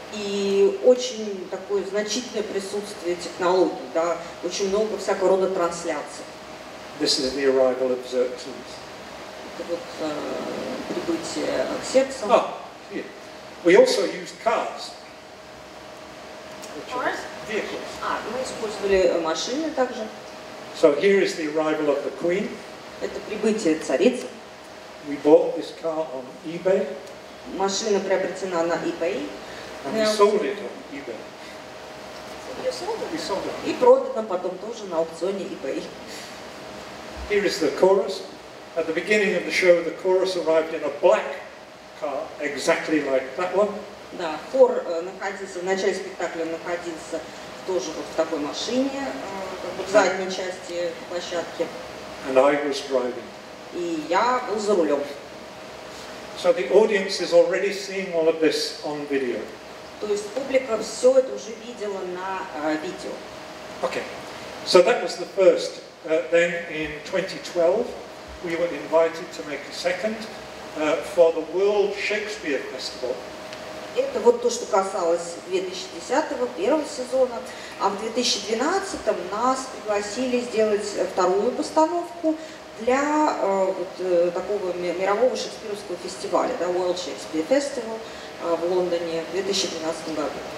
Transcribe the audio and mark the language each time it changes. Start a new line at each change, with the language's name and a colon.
Russian: И очень такое значительное присутствие технологий, да, очень много всякого рода трансляций.
English: This is the arrival of Xerxes.
Russian: Это вот прибытие Xerxes.
English: Oh, yeah. We also used cars.
Russian: Мы использовали машины также.
English: So here is the arrival of the queen.
Russian: Это прибытие царицы.
English: We bought this car on eBay.
Russian: Машина приобретена на eBay.
English: And we sold it on eBay.
Russian: И продано потом тоже на аукционе eBay.
English: Here is the chorus. At the beginning of the show, the chorus arrived in a black car, exactly like that one.
Russian: Да, хор находился, в начале спектакля он находился тоже вот в такой машине, как бы в задней части площадки.
English: And I was driving.
Russian: И я был за рулем.
English: So the audience is already seeing all of this on video.
Russian: То есть публика все это уже видела на видео.
English: Okay, so that was the first. Then in 2012 we were invited to make a second for the World Shakespeare Festival.
Russian: Это вот то, что касалось 2010-го, первого сезона. А в 2012-м нас пригласили сделать вторую постановку для такого мирового шекспировского фестиваля, да, World Shakespeare Festival в Лондоне в 2012 году.